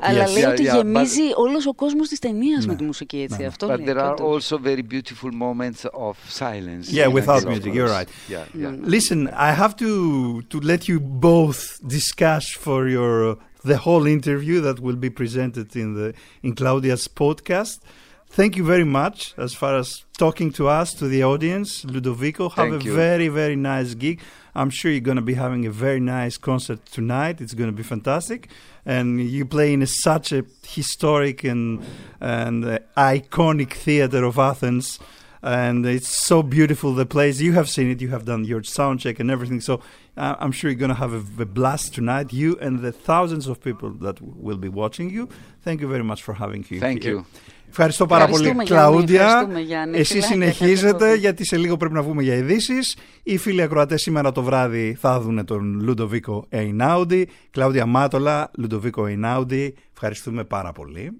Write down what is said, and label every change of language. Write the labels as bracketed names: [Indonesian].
[Greek] Αλλά λέει ότι γεμίζει όλος ο κόσμος της ταινίας με τη μουσική, έτσι. [English] But there are also very beautiful moments of silence. Yeah, without music, you're right. Yeah, yeah. Mm. Listen, I have to let you both discuss for your the whole interview that will be presented in Claudia's podcast. Thank you very much as far as talking to us, to the audience. Ludovico, have Thank a you. Very, very nice gig. I'm sure you're going to be having a very nice concert tonight. It's going to be fantastic. And you play in such a historic and iconic theater of Athens. and it's so beautiful, the place. You have seen it, you have done your sound check and everything, so I'm sure you're going to have a blast tonight, you and the thousands of people that will be watching you. Thank you very much for having you. Thank you. [Greek] Ευχαριστώ πάρα πολύ, Γιάννη, Κλαούντια. Γιάννη, εσύ συνεχίζετε, γιατί σε λίγο πρέπει να βγούμε για ειδήσεις. Οι φίλοι ακροατές σήμερα το βράδυ θα δουν τον Λουντοβίκο Εϊνάουντι. Κλαούντια Μάτολα, Λουντοβίκο Εϊνάουντι, ευχαριστούμε πάρα πολύ.